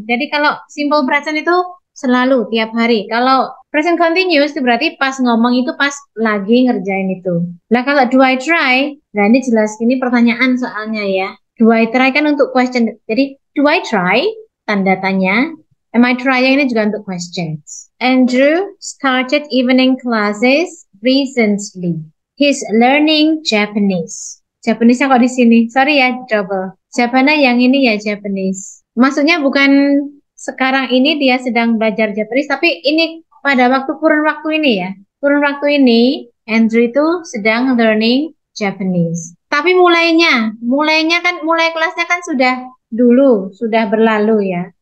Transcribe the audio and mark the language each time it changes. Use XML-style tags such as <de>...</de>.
<id>Jadi kalau simple present itu selalu tiap hari. Kalau present continuous itu berarti pas ngomong itu pas lagi ngerjain itu. Nah, kalau</id> <en>do I try?</en> <id>Nah, ini jelas ini pertanyaan soalnya ya.</id> <en>Do I try</en> <id>kan untuk question. Jadi</id> <en>do I try</en> <id>tanda tanya.</id> <en>Am I trying</en> <id>ini juga untuk questions.</id> <en>Andrew started evening classes recently. He's learning Japanese. Japanese-nya</en> <id>kok di sini?</id> <en>Sorry ya, double.</en> <id>Japana yang ini ya Japanese. Maksudnya bukan sekarang ini dia sedang belajar Japanese, tapi ini pada waktu kurun waktu ini ya. Kurun waktu ini, Andrew itu sedang learning Japanese. Tapi mulainya kan, mulai kelasnya kan sudah dulu, sudah berlalu ya.</id>